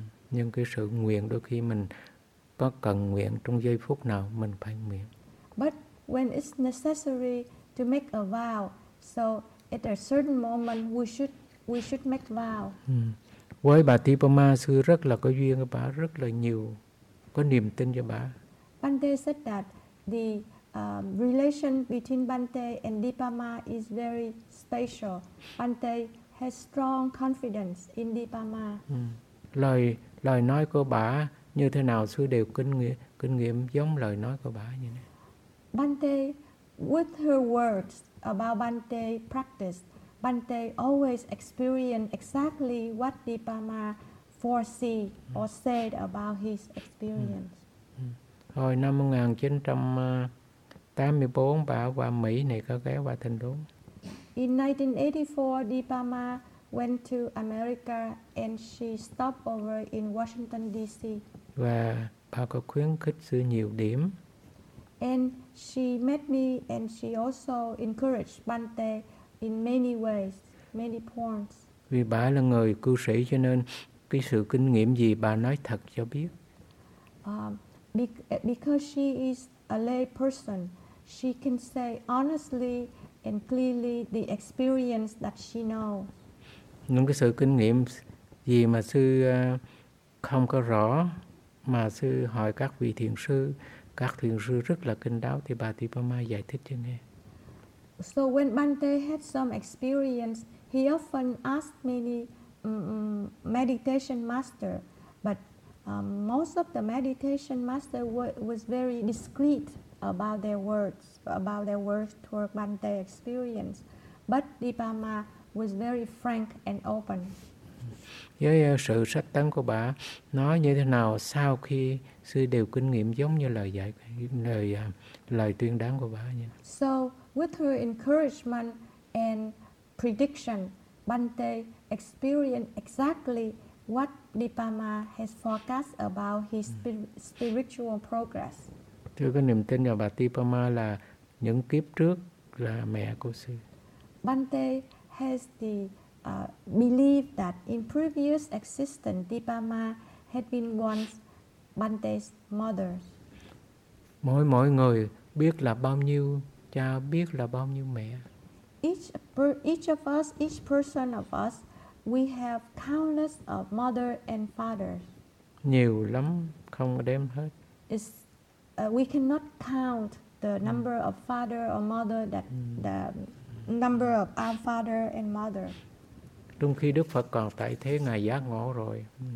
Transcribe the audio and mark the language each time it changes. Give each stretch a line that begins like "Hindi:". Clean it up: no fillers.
Vietnamese: Nhưng cái sự nguyện đôi khi mình có cần nguyện trong giây phút nào mình phải nguyện.
English: But when it's necessary to make a vow, so at a certain moment we should make vow.
Vietnamese: Với bà Tipama, sư rất là có duyên với bà, rất là nhiều, có niềm tin cho bà.
English: Bhante said that the relation between Bhante and Dipama is very special. Bhante has strong confidence in Dipama.
Vietnamese: Lời nói của bà như thế nào, sư đều kinh nghiệm giống lời nói của bà như thế.
English: Bhante, with her words about Bhante practice, Bhante always experienced exactly what Dipa Ma foresee or said about his experience.
Vietnamese: Hồi năm 1984, bà qua Mỹ này có ghé qua Thanh Đốn.
English: In 1984, Dipa Ma went to America and she stopped over in Washington D.C.
Vietnamese: Và bà có khuyến khích sư nhiều điểm.
English: And she met me and she also encouraged Bhante in many ways, many points.
Vietnamese: Vì bà là người cư sĩ cho nên cái sự kinh nghiệm gì bà nói thật cho biết.
English: Because she is a lay person, she can say honestly and clearly the experience that she knows.
Vietnamese: Những cái sự kinh nghiệm gì mà sư không có rõ mà sư hỏi các vị thiền sư, các thiền sư rất là kinh đáo thì bà Dipa Ma giải thích cho nghe.
English: So when Bhante had some experience, he often asked many meditation master, but most of the meditation master was very discreet about their words toward Bhante experience. But Dipa Ma was very frank and open.
Vietnamese: Với sự sắc tấn của bà nói như thế nào sau khi sư đều kinh nghiệm giống như lời dạy, lời tuyên đáng của bà nhỉ?
English: So with her encouragement and prediction, Bhante experienced exactly what Dipa Ma has forecast about his spiritual progress.
Vietnamese: Tôi có niềm tin vào bà Dipa Ma là những kiếp trước là mẹ của sư.
English: Bhante has the belief that in previous existence, Dipa Ma had been once Bhante's mother.
Vietnamese: Mỗi người biết là bao nhiêu cha, biết là bao nhiêu mẹ.
English: Each person of us, we have countless of mother and father.
Vietnamese: Nhiều lắm, không có đếm hết.
English: We cannot count the number of father or mother, the number of our father and mother.
Vietnamese: Trong khi Đức Phật còn tại thế, Ngài giác ngộ rồi.